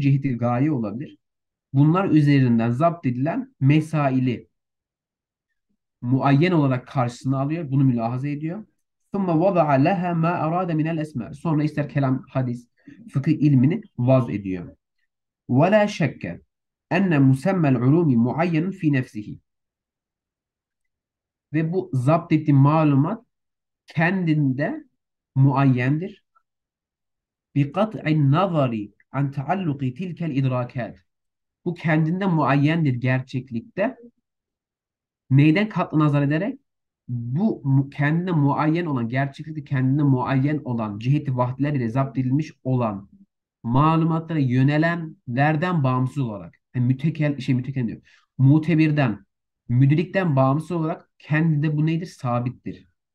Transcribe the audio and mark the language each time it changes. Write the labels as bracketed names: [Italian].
[Turkish] Ciheti gaye olabilir. Bunlar üzerinden zapt edilen mesaili muayyen olarak karşısına alıyor. Bunu mülahaza ediyor. [Arabic] Sümme vada'a lehe ma arada minel esme. [Turkish] Sonra ister kelam, hadis, fıkıh ilmini vaz ediyor. [Arabic] وَلَا شَكَّ اَنَّ مُسَمَّ الْعُلُومِ مُعَيَّنٌ فِي نَفْسِهِ [Turkish] Ve bu zapt ettiği malumat kendinde muayyendir. [Arabic] بِقَطْعِ النَّظَرِ عَنْ تَعَلُّقِ تِلْكَ الْاِدْرَاكَاتِ [Turkish] Bu kendinde muayyendir gerçeklikte. Neyden katlı nazar ederek? Bu kendine muayyen olan, gerçeklikte kendine muayyen olan, cihet-i vahdiler ile zapt edilmiş olan malumatlara yönelenlerden bağımsız olarak, yani mütekel, şey mütekel diyor, mutebirden, müdrikten bağımsız olarak kendinde bu nedir? Sabittir.